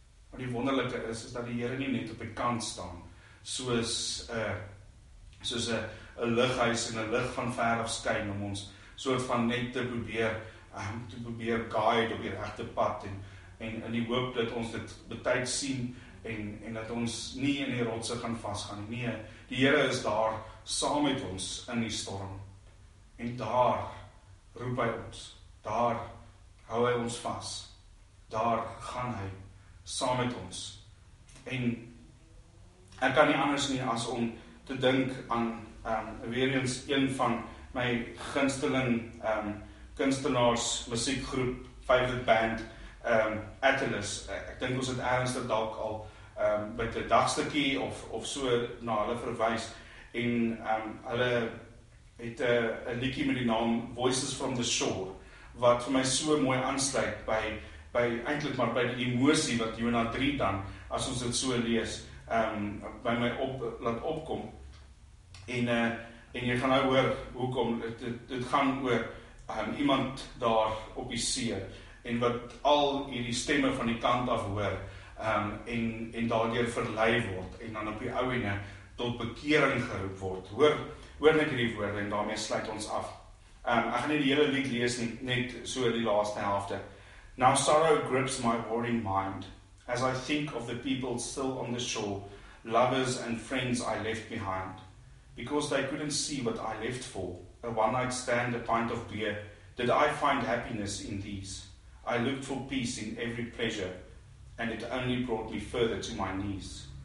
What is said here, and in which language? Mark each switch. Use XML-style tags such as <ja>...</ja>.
<af>Maar die wonderlike is dat die Here nie net op die kant staan, soos 'n lighuis en 'n lig van ver af skyn om ons soort van net te probeer guide op die regte pad en in die hoop dat ons dit betyds sien en dat ons nie in die rotse gaan vasgaan. Nee, die Here is daar saam met ons in die storm. En daar roep hy ons. Daar hou hy ons vas. Daar gaan hy saam met ons. En ek kan nie anders nie as om te dink aan weer eens een van my gunsteling kunstenaars musiekgroep,</af> <en>favorite band,</en> <af>Atlas. Ek dink ons het ernstig dalk al by 'n dagstukkie of so na hulle verwys, en hulle het 'n liedjie met die naam Voices from the Shore, wat vir my so mooi aansluit by die emosie wat Jona 3 dan, as ons dit so lees, by my laat opkom. En jy gaan nou hoor hoekom dit gaan oor iemand daar op die see, en wat al hierdie stemme van die kant af hoor, en daardeur verlei word, en dan op die ou ene tot bekering geroep word. Hoor net hierdie woorde, en daarmee sluit ons af. Ek gaan nie die hele lied lees, net so die laaste helfte.</af> <en>Now sorrow grips my warring mind, as I think of the people still on the shore, lovers and friends I left behind, because they couldn't see what I left for, a one-night stand, a pint of beer, did I find happiness in these? I looked for peace in every pleasure, and it only brought me further to my knees.</en>